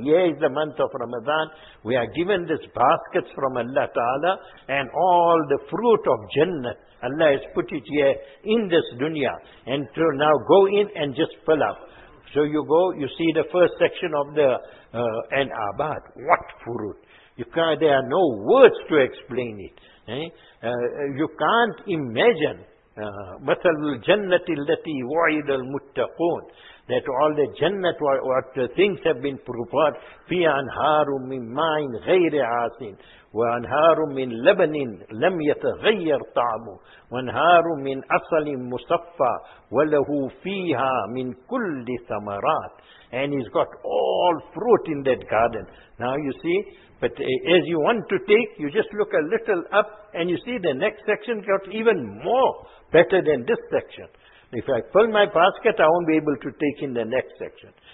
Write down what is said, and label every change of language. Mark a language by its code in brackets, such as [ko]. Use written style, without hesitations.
[en] Here is the month of Ramadan. We are given these baskets from Allah Ta'ala, and all the fruit of Jannah. Allah has put it here in this dunya. And to now go in and just fill up. So you go, you see the first section of the an abad. What fruit? You can't, there are no words to explain it. You can't imagine. [ar] مثل الجنة التي وعد المتقون. [en] That all the jannat, what things have been prepared. [ar] في أنهار من ماء غير عاسين. وأنهار من لبن لم يتغير طعمه وأنهار من عسل مصفى وله فيها من كل ثمرات. [en] And he's got all fruit in that garden. Now you see, but as you want to take, you just look a little up and you see the next section got even more better than this section. If I fill my basket, I won't be able to take in the next section.